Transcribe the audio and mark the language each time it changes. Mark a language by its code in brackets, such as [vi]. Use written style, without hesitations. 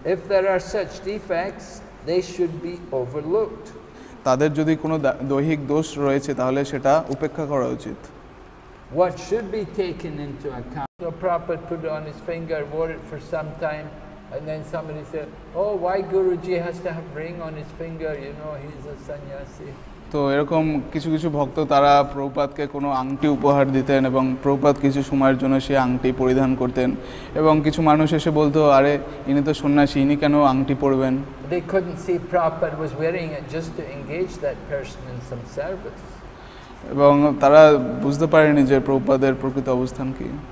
[en] If there are such defects, they should be overlooked. [bn] তাদের যদি কোনো দৈহিক দোষ রয়েছে তাহলে সেটা উপেক্ষা করা উচিত. [en] What should be taken into account? The Prabhupada put it on his finger, wore it for some time, and then somebody said, oh, why Guruji has to have ring on his finger, you know, he's a sannyasi. [bn] তো এরকম কিছু কিছু ভক্ত তারা প্রভুপাদকে কোনো আংটি উপহার দিতেন এবং প্রভুপাদ কিছু সময়ের জন্য সেই আংটি পরিধান করতেন এবং কিছু মানুষ এসে বলতো আরে ইনি তো সন্ন্যাসী ইনি কেন আংটি পরবেন [en] They couldn't see Prabhupada was wearing it just to engage that person in some service. [bn] এবং তারা বুঝতে পারেনি যে প্রভুপাদের প্রকৃত অবস্থান কি